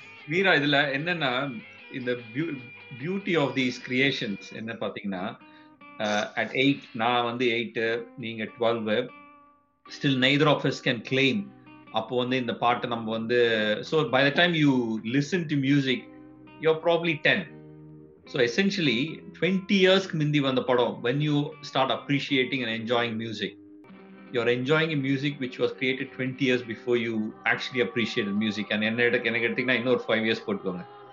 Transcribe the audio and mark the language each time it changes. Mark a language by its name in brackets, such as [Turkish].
[Tamil] வீரா, இதுல என்னன்னா இந்த [English] beauty of these creations [Tamil] என்ன பாத்தீங்கன்னா, [English] at 8, [Tamil] நான் வந்து 8, நீங்க 12, [English] still neither of us can claim [Tamil] அப்போ வந்து இந்த பாட்டு நம்ம வந்து, [English] so by the time you listen to music you're probably 10, so essentially 20 years [Tamil] முந்தி வந்த படம். [English] When you start appreciating and enjoying music, you're enjoying a music which was created 20 years before you actually appreciated music. [Tamil] And என்ன எடுத்தீங்கன்னா இன்னொரு 5 years போட்டுக்கோங்க.